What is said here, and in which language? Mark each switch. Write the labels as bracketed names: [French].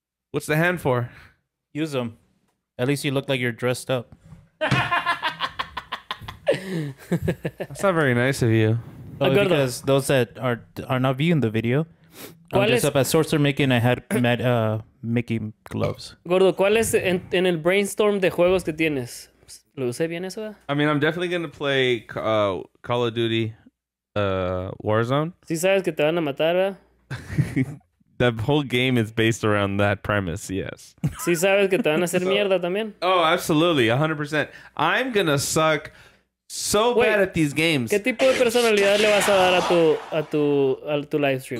[English] What's the hand for? Use them. At least you look like you're dressed up. That's not very nice of you. Oh, because those that are not viewing the video, I'm dressed up as Sorcerer Mickey and I had Mickey gloves. [Spanish] Gordo, ¿cuál es en el brainstorm de juegos que tienes? ¿Lo usé bien eso? [English] I mean, I'm definitely going to play Call of Duty Warzone. [Spanish] Si sabes que te van a matar, ¿verdad? [English] The whole game is based around that premise, yes. [Spanish] Si sabes que te van a hacer mierda también. [English] Oh, absolutely, 100%. I'm gonna suck so bad at these games. [Spanish] ¿Qué tipo de personalidad le vas a dar a tu live stream?